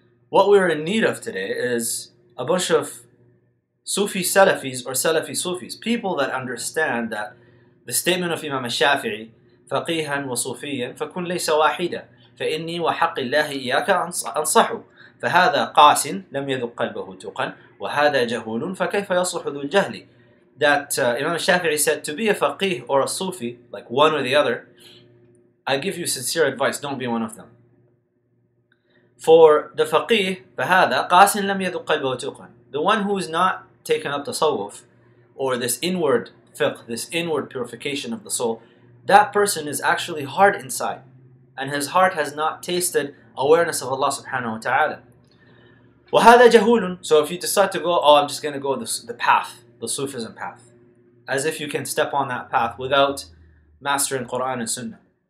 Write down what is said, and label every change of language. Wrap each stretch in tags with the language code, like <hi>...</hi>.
<en>What we're in need of today is a bunch of Sufi Salafis or Salafi Sufis, people that understand that the statement of Imam al-Shafi'i,</en> <ar>فَقِيهًا وَصُوفِيًّا فَكُنْ لَيْسَ وَاحِدًا فَإِنِّي وَحَقِّ اللَّهِ إِيَّاكَ أَنْصَحُ فَهَذَا قَاسٍ لَمْ يَذُقْ قَلْبَهُ تُقًا وَهَذَا جَهُولٌ فَكَيْفَ يَصْلُحُ ذُو الْجَهْلِ.</ar> <en>That Imam al-Shafi'i said, to be a faqih or a sufi, like one or the other, I give you sincere advice, don't be one of them. For the faqih,</en> <ar>فَهَذَا قَاسٍ لَمْ يَذُقْ قَلْبَهُ تُقًا.</ar> <en>The one who is not taken up tasawwuf, or this inward fiqh, this inward purification of the soul, that person is actually hard inside. And his heart has not tasted awareness of Allah subhanahu wa ta'ala.</en> <ar>وَهَذَا جَهُولٌ.</ar> <en>So if you decide to go, oh, I'm just going to go the path, the Sufism path, as if you can step on that path without mastering Quran and Sunnah.</en>